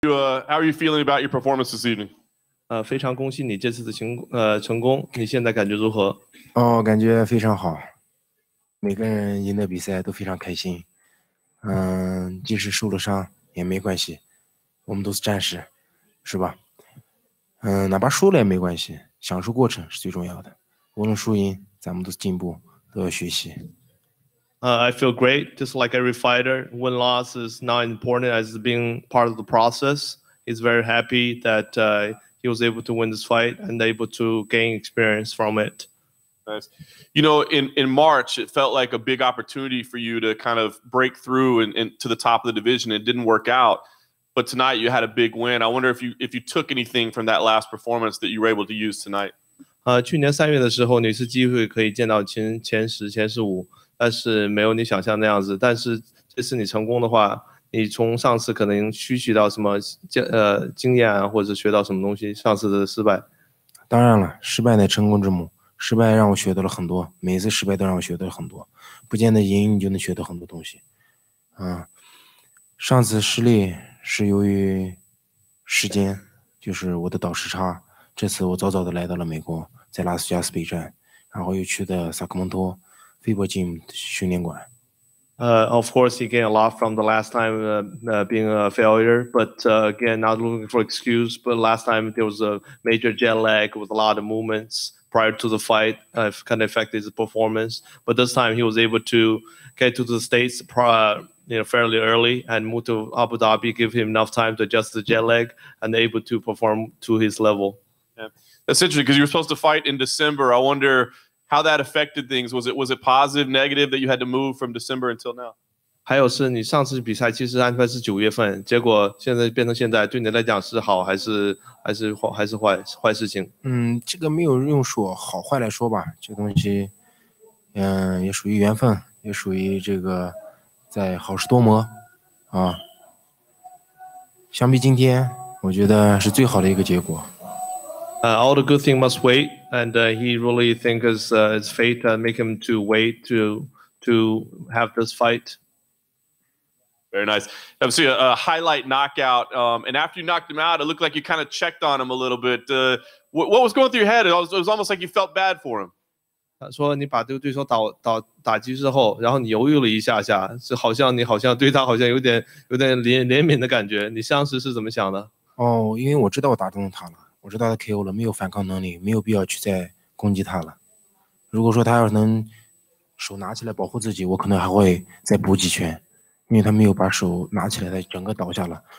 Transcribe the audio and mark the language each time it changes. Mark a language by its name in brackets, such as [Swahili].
[English] How are you feeling about your performance this evening? [Chinese] 非常恭喜你这次的成功，你现在感觉如何？哦，感觉非常好，每个人赢的比赛都非常开心。即使受了伤也没关系，我们都是战士，是吧？哪怕输了也没关系，享受过程是最重要的。无论输赢，咱们都是进步，都要学习。 [English] I feel great, just like every fighter. Win loss is not important as being part of the process. He's very happy that he was able to win this fight and able to gain experience from it. Nice. You know, in March, it felt like a big opportunity for you to kind of break through and to the top of the division. It didn't work out, but tonight you had a big win. I wonder if you took anything from that last performance that you were able to use tonight. [Chinese] 去年三月的时候，你是机会可以见到前十、前十五。但是没有你想象那样子，但是这次你成功的话，你从上次可能吸取到什么经验啊，或者学到什么东西，上次的失败。当然了，失败乃成功之母，失败让我学到了很多，每一次失败都让我学到了很多，不见得赢你就能学到很多东西。上次失利是由于时间，就是我的倒时差，这次我早早的来到了美国，在拉斯加斯备战，然后又去的萨克蒙托。 [English] Of course, he gained a lot from the last time being a failure, but again, not looking for excuse, but last time there was a major jet lag with a lot of movements prior to the fight, kind of affected his performance. But this time he was able to get to the States fairly early and move to Abu Dhabi, give him enough time to adjust the jet lag and able to perform to his level. Yeah. That's interesting, because you were supposed to fight in December. I wonder... How that affected things? Was it positive, negative that you had to move from December until now? [Chinese] 还有是你上次比赛其实安排是九月份，结果现在变成现在，对你来讲是好还是坏事情？这个没有用说好坏来说吧，这东西，也属于缘分，也属于这个在好事多磨啊。相比今天，我觉得是最好的一个结果。 [English] All the good thing must wait, and he really think it's fate to make him to wait to have this fight. Very nice. Obviously, a highlight knockout. And after you knocked him out, it looked like you kind of checked on him a little bit. What was going through your head? It was almost like you felt bad for him. [Chinese] 他说你把这个对手打击之后，然后你犹豫了一下下，是好像你好像对他好像有点怜悯的感觉。你当时是怎么想的？因为我知道我打中他了。我知道他 KO 了，没有反抗能力，没有必要去再攻击他了。如果说他要是能手拿起来保护自己，我可能还会再补几拳，因为他没有把手拿起来，他整个倒下了。